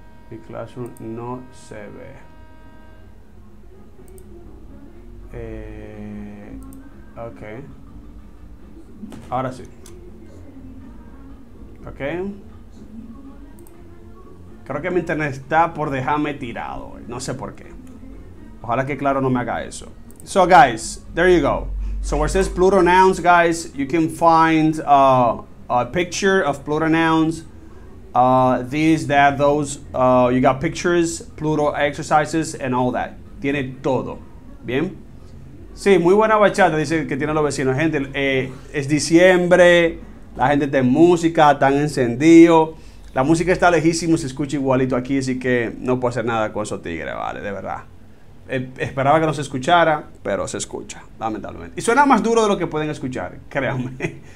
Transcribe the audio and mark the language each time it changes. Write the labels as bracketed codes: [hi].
[es] Mi Classroom no se ve. Ok. Ahora sí. Ok. Creo que mi internet está por dejarme tirado hoy. No sé por qué. Ojalá que Claro no me haga eso. [en] So, guys, there you go. So, where it says plural nouns, guys, you can find a picture of plural nouns. These, that, those. You got pictures, plural exercises, and all that. [es] Tiene todo. Bien. Sí, muy buena bachata, dice que tienen los vecinos. Gente, es diciembre, la gente está en música, están encendidos. La música está lejísimo, se escucha igualito aquí, así que no puedo hacer nada con eso, tigre, vale, de verdad. Esperaba que no se escuchara, pero se escucha, lamentablemente. Y suena más duro de lo que pueden escuchar, créanme.